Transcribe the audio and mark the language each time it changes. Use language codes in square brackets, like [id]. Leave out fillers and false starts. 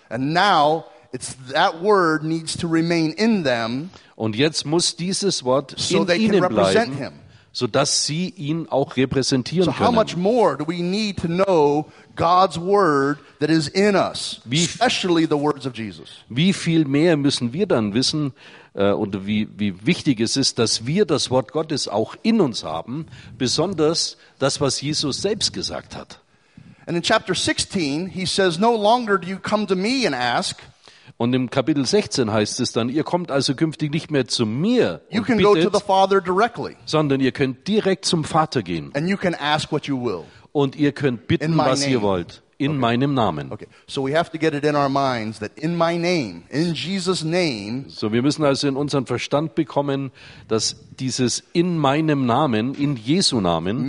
[en] And now it's that word needs to remain in them. [de] Und jetzt muss dieses Wort so in ihnen bleiben. [en] So they can represent him. [de] So dass sie ihn auch repräsentieren können. [en] So how much more do we need to know God's word that is in us, especially the words of Jesus? [de] Wie viel mehr müssen wir dann wissen, oder wie wichtig es ist, dass wir das Wort Gottes auch in uns haben, besonders das, was Jesus selbst gesagt hat. [en] And in chapter 16 he says, no longer do you come to me and ask. [de] Und im Kapitel 16 heißt es dann, ihr kommt also künftig nicht mehr zu mir und bittet, sondern ihr könnt direkt zum Vater gehen. [en] And you can ask what you will. [de] Und ihr könnt bitten, was ihr wollt, in meinem Namen. [en] Okay. So we have to get it in our minds that in my name, in Jesus' name. [de] So wir müssen also in unseren Verstand bekommen, dass dieses in meinem Namen, in Jesu Namen,